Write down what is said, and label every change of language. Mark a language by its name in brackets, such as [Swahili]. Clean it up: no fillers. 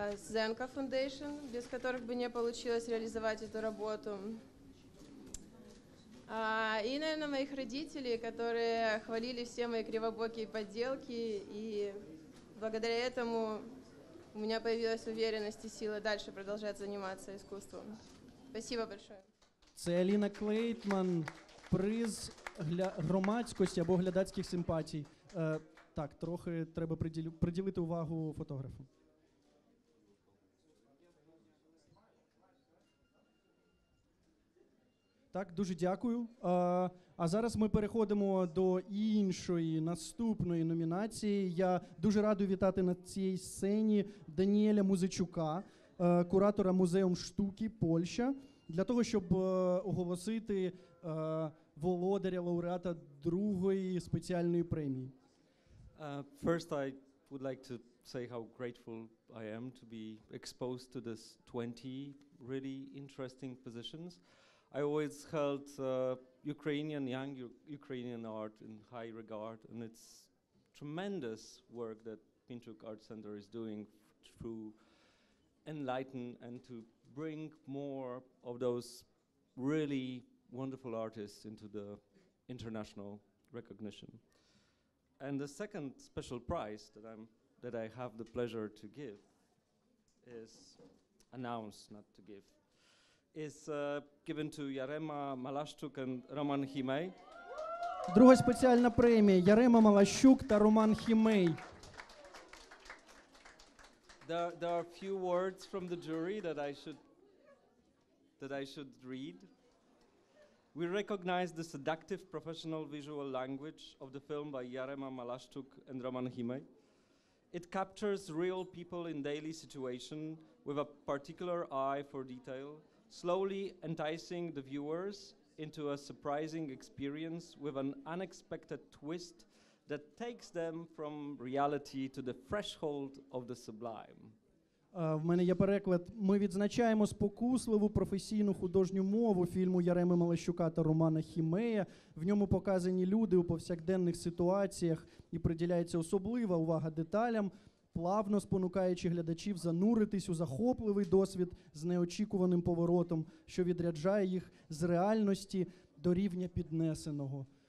[Russian] Zenka Foundation, без которых бы не получилось реализовать эту работу. И, наверное, моих родителей, которые хвалили все мои кривобокие подделки, и благодаря этому у меня появилась уверенность и сила дальше продолжать заниматься искусством. Спасибо большое. [Ukrainian] Це Аліна Клейтман, приз громадськості або глядацьких симпатій. Так, трохи треба приділити увагу фотографу. Так, дуже дякую. А зараз ми переходимо до іншої, наступної номінації. Я дуже радий вітати на цій сцені Даніеля Музичука, куратора Музею штуки Польща, для того, щоб оголосити володаря, лауреата другої спеціальної премії. [English] First, I would like to say how grateful I am to be exposed to this 20 really interesting positions. I always held young Ukrainian art in high regard, and it's tremendous work that Pinchuk Art Center is doing to enlighten and to bring more of those really wonderful artists into the international recognition. And the second special prize that I have the pleasure to give is announced, not to give. Is given to Jarema Malaszczuk and Roman Chimej. [Ukrainian] Друга спеціальна премія Ярема Малащук та Роман Хімей. [English] There are a few words from the jury that I should read. We recognize the seductive professional visual language of the film by Jarema Malaszczuk and Roman Chimej. It captures real people in daily situation with a particular eye for detail, slowly enticing the viewers into a surprising experience with an unexpected twist that takes them from reality to the threshold of the sublime. [Ukrainian] В мене є переклад. Ми відзначаємо спокусливу професійну художню мову фільму Яреми Малащука та Романа Хімея. В ньому показані люди у повсякденних ситуаціях і приділяється особлива увага деталям, плавно спонукаючи глядачів зануритись у захопливий досвід з неочікуваним поворотом, що відряджає їх з реальності до рівня піднесеного.